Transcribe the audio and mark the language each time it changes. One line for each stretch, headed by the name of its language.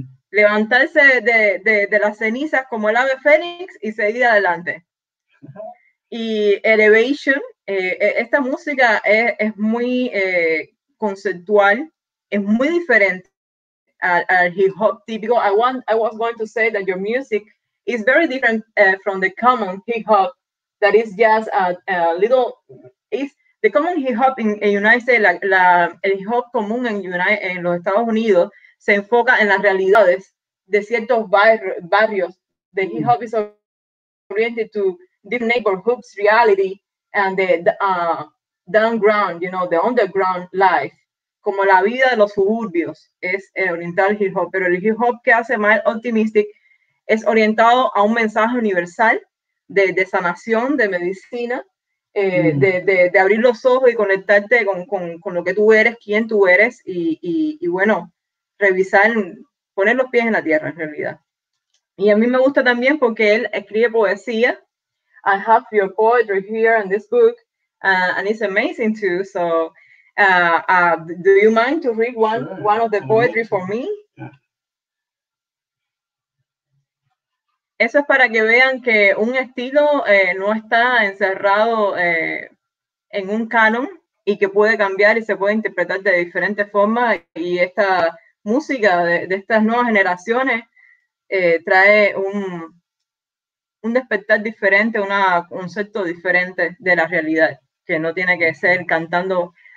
Spanish: Levantarse de las cenizas como el ave fénix y seguir adelante. Y Elevation, esta música es muy conceptual, es muy diferente al hip hop típico.
English: I was going to say that your music is very different from the common hip hop that is just a little. It's the common hip hop in the United States,
Spanish: el hip hop común en los Estados Unidos, se enfoca en las realidades de ciertos barrios.
English: The hip hop is oriented to different neighborhoods, reality, and the underground, you know, the underground life,
Spanish: como la vida de los suburbios, es el oriental hip hop. Pero el hip hop que hace más optimistic es orientado a un mensaje universal de sanación, de medicina, de abrir los ojos y conectarte con lo que tú eres, quién tú eres, y bueno, revisar, poner los pies en la tierra, en realidad. Y a mí me gusta también porque él escribe poesía.
English: I have your poetry here in this book, and it's amazing too. So, do you mind to read one of the poetry for me?
Spanish: Eso es para que vean que un estilo no está encerrado en un canon y que puede cambiar y se puede interpretar de diferentes formas. Y esta música de estas nuevas generaciones trae un despertar diferente, un concepto diferente de la realidad, que no tiene que ser cantando